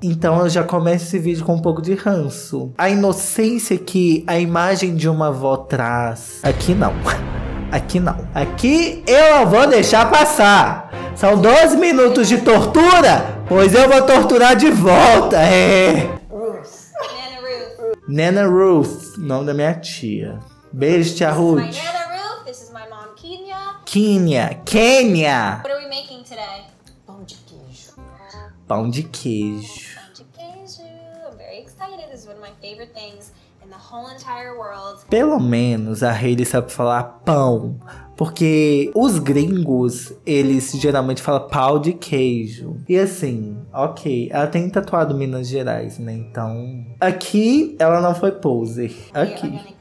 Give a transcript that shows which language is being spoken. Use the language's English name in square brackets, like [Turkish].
[Portuguese] Então eu já começo esse vídeo com um pouco de ranço. A inocência que a imagem de uma avó traz... Aqui não. Aqui não. Aqui eu vou deixar passar. São 12 minutos de tortura? Pois eu vou torturar de volta, é! Ruth. Nana Ruth. Nana Ruth, nome da minha tia. Beijo, tia Ruth. [English] This is my Nana Ruth, this is my mom Kenya. Kenya, Kenya! What are we making today? [Portuguese] Pão de queijo. Pão de queijo. Pão de queijo. [English] I'm very excited, this is one of my favorite things in the whole entire world. [Portuguese] Pelo menos a Hayley sabe falar pão. Porque os gringos, eles geralmente falam pau de queijo. E assim, ok. Ela tem tatuado Minas Gerais, né? Então, aqui ela não foi poser. Aqui.